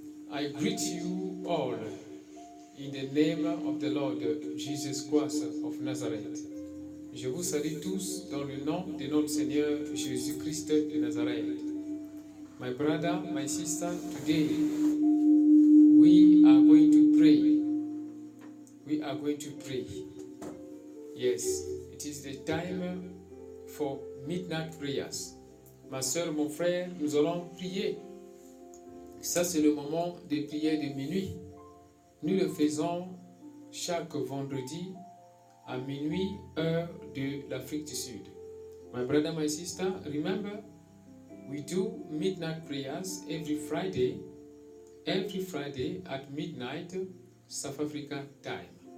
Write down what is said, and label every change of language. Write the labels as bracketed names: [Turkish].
[English] I greet you all in the name of the Lord Jesus Christ of Nazareth. [French] Je vous salue tous dans le nom de notre Seigneur Jésus-Christ de Nazareth. [English] My brother, my sister, today we are going to pray. We are going to pray. Yes, it is the time for midnight prayers. [French] Ma soeur, mon frère, nous allons prier. Ça, c'est le moment des prières de minuit. Nous le faisons chaque vendredi à minuit, heure de l'Afrique du Sud. [English] My brother, my sister, remember, we do midnight prayers every Friday at midnight, South Africa time.